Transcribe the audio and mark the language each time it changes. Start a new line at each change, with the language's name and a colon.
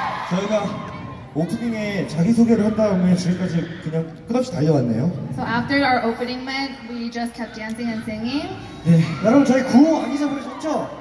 Korean: 저희가 오프닝에 자기소개를 한 다음에 지금까지 그냥 끝없이 달려왔네요.
English: So after our opening met, we just kept dancing and singing.
Korean: 네, 여러분 저희 구호 안 잊어버리셨죠?